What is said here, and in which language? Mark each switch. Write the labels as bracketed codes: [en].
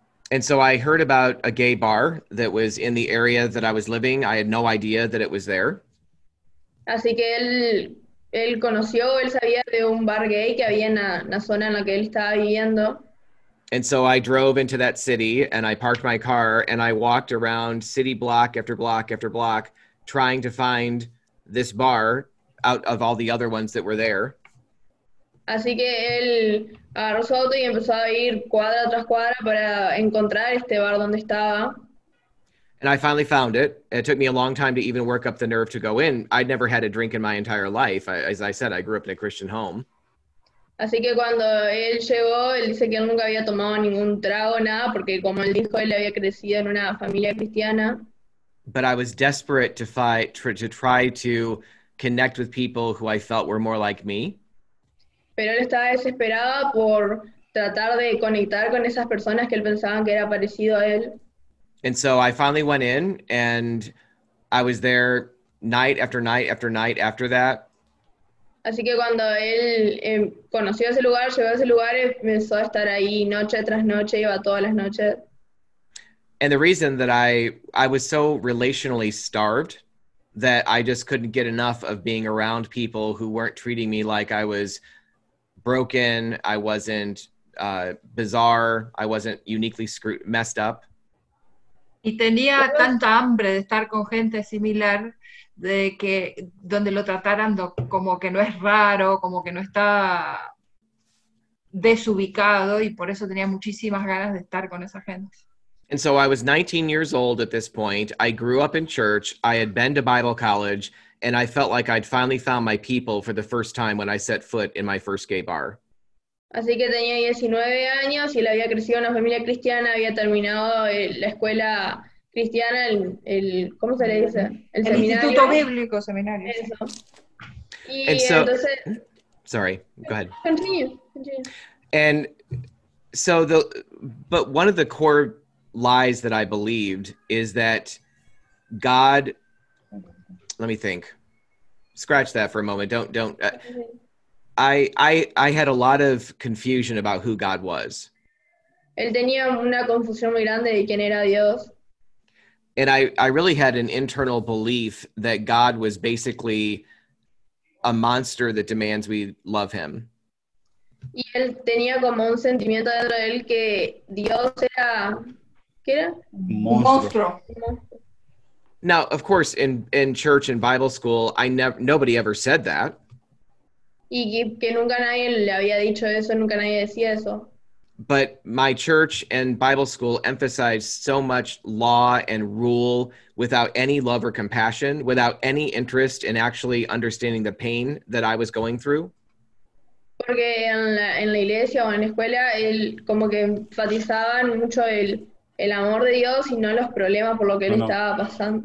[en] And so I heard about a gay bar that was in the area that I was living. I had no idea that it was there. [es] Así que él conoció, él sabía de un bar gay que había en la zona en la que él estaba viviendo. [en] And so I drove into that city and I parked my car and I walked around city block after block after block trying to find this bar out of all the other ones that were there. [es] Así que él agarró su auto y empezó a ir cuadra tras cuadra para encontrar este bar donde estaba. [en] And I finally found it. It took me a long time to even work up the nerve to go in. I'd never had a drink in my entire life. As I said, I grew up in a Christian home. [es] Así que cuando él llegó, él dice que él nunca había tomado ningún trago, nada, porque como él dijo, él había crecido en una familia cristiana. [en] But I was desperate to try to connect with people who I felt were more like me. [es] Pero él estaba desesperado por tratar de conectar con esas personas que él pensaba que era parecido a él. [en] And so I finally went in, and I was there night after night after night after that. [es] Así que cuando él conoció ese lugar, llegó a ese lugar, empezó a estar ahí noche tras noche, iba todas las noches. [en] And the reason that I was so relationally starved that I just couldn't get enough of being around people who weren't treating me like I was broken, I wasn't bizarre, I wasn't uniquely messed up. [es] Y tenía tanta hambre de estar con gente similar, de que donde lo trataran como que no es raro, como que no está desubicado, y por eso tenía muchísimas ganas de estar con esa gente. [en] And so I was 19 years old at this point. I grew up in church. I had been to Bible college, and I felt like I'd finally found my people for the first time when I set foot in my first gay bar. [es] Así que tenía 19 años y la había crecido en una familia cristiana, había terminado la escuela cristiana, ¿cómo se le dice? El seminario. Instituto Bíblico, seminario. Eso. Entonces, [en] sorry, go ahead. Continue. And so but one of the core lies that I believed is that God, let me think, scratch that for a moment. Don't. I had a lot of confusion about who God was. [es] Él tenía una confusión muy grande de quién era Dios. [en] And I really had an internal belief that God was basically a monster that demands we love him. [es] Y él tenía como un sentimiento dentro de él que Dios era, ¿qué era? Monstruo. [en] Now, of course, in church and Bible school, nobody ever said that. [es] Y que nunca nadie le había dicho eso, nunca nadie decía eso. [en] But my church and Bible school emphasized so much law and rule without any love or compassion, without any interest in actually understanding the pain that I was going through. [es] Porque en la iglesia o en la escuela, él como que enfatizaban mucho el amor de Dios y no los problemas por lo que él estaba pasando.